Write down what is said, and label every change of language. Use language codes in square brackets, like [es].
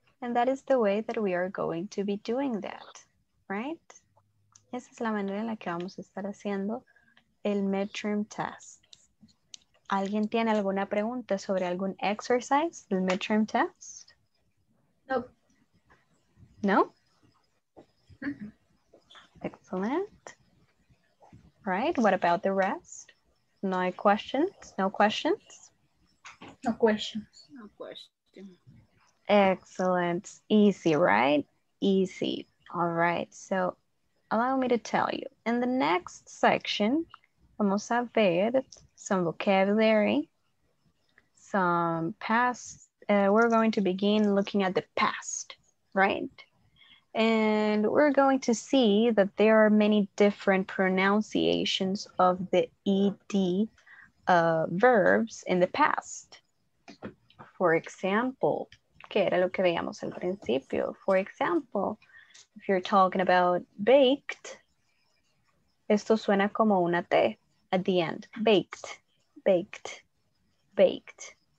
[en] And that is the way that we are going to be doing that, right? [es] Esa es la manera en la que vamos a estar haciendo el midterm test. ¿Alguien tiene alguna pregunta sobre algún exercise del midterm test? [en] Nope. No? Mm-hmm. Excellent. Right, what about the rest? No questions? No questions? No questions. No questions. Excellent. Easy, right? Easy. All right, so allow me to tell you. In the next section, [es] vamos a ver [en] some vocabulary, some past we're going to begin looking at the past, right? And we're going to see that there are many different pronunciations of the ed verbs in the past. For example, [es] ¿qué era lo que veíamos al principio? [en] For example, if you're talking about baked, [es] esto suena como una T [en] at the end. Baked, baked, baked.